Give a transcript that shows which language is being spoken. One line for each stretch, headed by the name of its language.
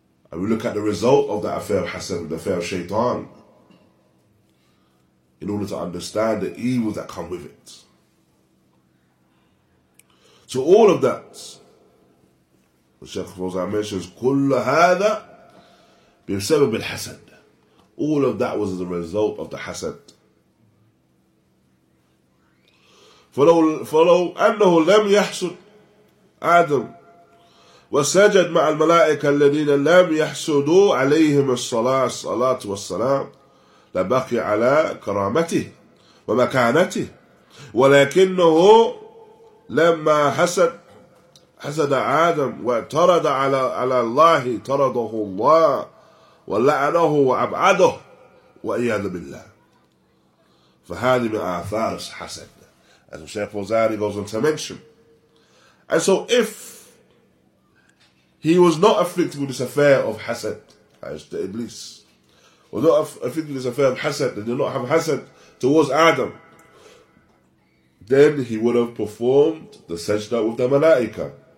English: And we look at the result of that affair of hasad, the affair of shaitan, in order to understand the evils that come with it. So all of that, the Shaykh Fawzan mentions,
Arabic: كُلَّ هَذَا بِسَبَبِ الْحَسَدِ.
English: All of that was the result of the hasad.
Arabic: فَلَوْ أَنَّهُ لَمْ يَحْسُدْ آدَمْ وسجد مع الملائكة الذين لم يحسدوا عليهم الصلاة الصلاة والسلام لبقي على كرامته ومكانته ولكنه لما حسد آدم واعترض على الله طرده الله ولعنه وأبعده وإياذ بالله فهذه من آثار الحسد.
English: As the Shaykh Fawzari goes on to mention, and so if he was not afflicted with this affair of hasad, as the Iblis was not afflicted with this affair of hasad, and did not have hasad towards Adam, then he would have performed the sajda with the malaika.